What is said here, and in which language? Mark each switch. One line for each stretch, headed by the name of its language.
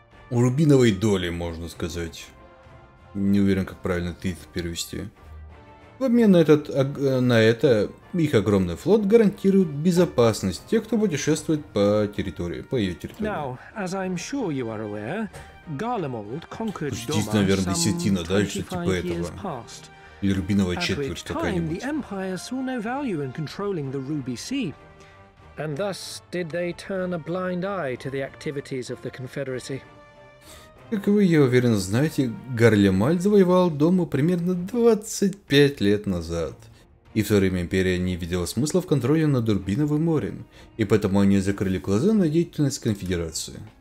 Russian: Рубиновой доли, можно сказать. Не уверен, как правильно тит перевести. В обмен на это их огромный флот гарантирует безопасность тех, кто путешествует по ее территории.
English: Now, as I'm sure you are aware, Garlemald conquered Dorma.
Russian: Здесь, наверное, десятина, дальше типа этого. Или рубиновая четверть какая-нибудь.
English: The Empire saw no value in controlling the Ruby Sea, and thus did they turn a blind eye to the activities of the Confederacy.
Russian: Как вы, я уверен, знаете, Гарлемальд завоевал Дому примерно 25 лет назад. И в то время Империя не видела смысла в контроле над Рубиновым морем, и поэтому они закрыли глаза на деятельность Конфедерации.